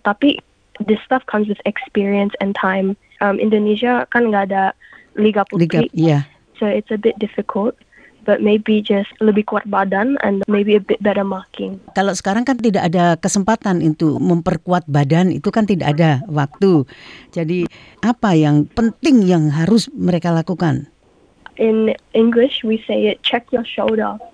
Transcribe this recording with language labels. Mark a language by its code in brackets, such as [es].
[id] Tapi [en] this stuff comes with experience and time. [id] Indonesia kan gak ada Liga Putri. Liga, yeah. [en] So it's a bit difficult. but maybe just [id] lebih kuat badan [en] and maybe a bit better marking. [id] Kalau sekarang kan tidak ada kesempatan itu memperkuat badan, itu kan tidak ada waktu. Jadi apa yang penting yang harus mereka lakukan? [en] In English we say it check your shoulder.